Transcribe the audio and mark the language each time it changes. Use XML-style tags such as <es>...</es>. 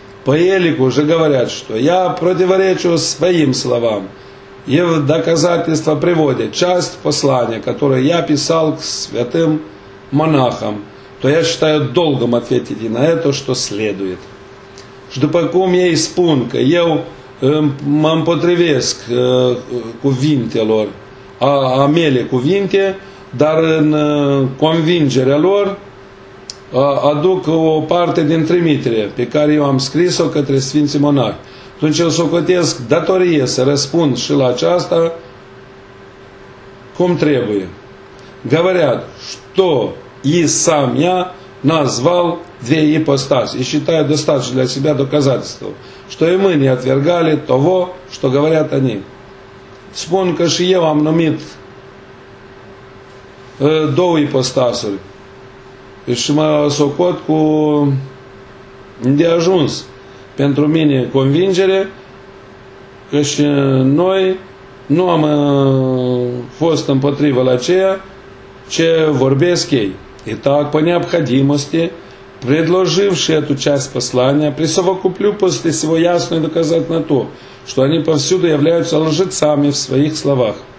<ro>Păielicu</ro> <ru>же говорят, что я противоречу своим словам, и в доказательство приводя часть послания, которое я писал к святым монахам, то я считаю долгом ответить и на это, что следует.</ru> <ro>Și după cum ei spun că eu mă împotrivesc cuvintelor, a mele cuvinte, dar în convingerea lor aduc o parte din trimitere pe care eu am scris-o către Sfinții Monahi. Atunci eu socotesc datorie să răspund și la aceasta cum trebuie.</ro> <ru>Говорят, что и сам я назвал две ипостаси, и считаю достаточно для себя доказательством, что и мы не отвергали того, что говорят они.</ru> <ro>Spun că și eu am numit două ipostasuri și mă socot cu îndeajuns pentru mine convingere că și noi nu am fost împotriva la ceea ce vorbesc ei.</ro> <ru>И так, по необходимости, предложивший эту часть послания, присовокуплю после всего ясное доказать на то, что они повсюду являются лжецами в своих словах.</ru>